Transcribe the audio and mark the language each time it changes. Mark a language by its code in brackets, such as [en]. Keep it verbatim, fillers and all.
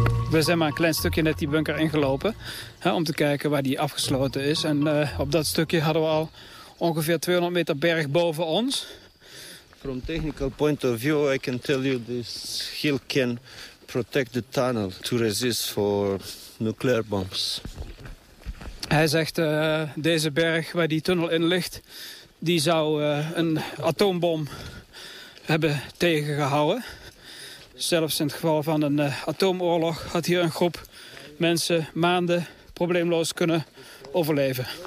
[nl] We zijn maar een klein stukje net die bunker ingelopen. Hè, om te kijken waar die afgesloten is. En uh, op dat stukje hadden we al ongeveer tweehonderd meter berg boven ons. [en] From technical point of view, I can tell you this hill can protect the tunnel to resist for nuclear bombs. [nl] Hij zegt, uh, deze berg waar die tunnel in ligt, die zou uh, een atoombom hebben tegengehouden. Zelfs in het geval van een uh, atoomoorlog had hier een groep mensen maanden probleemloos kunnen overleven.